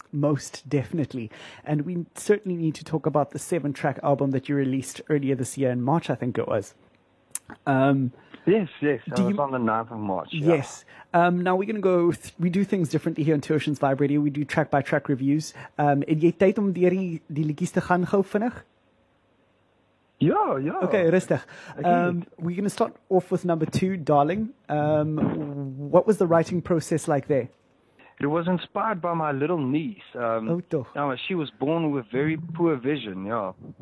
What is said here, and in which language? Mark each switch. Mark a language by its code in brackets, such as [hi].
[en] Most definitely. And we certainly need to talk about the 7-track album that you released earlier this year in March, I think it was. It was on the 9th of March. Yeah. Yes. Now we're going to go, we do things differently here on Two Oceans Vibe Radio. We do track by track reviews. [af] En jy tyd om die liedjies te gaan gou vinnig? Ja. Okay, rustig. [en] We're going to start off with number 2, Darling. What was the writing process like there? It was inspired by my little niece. She was born with very poor vision, yeah.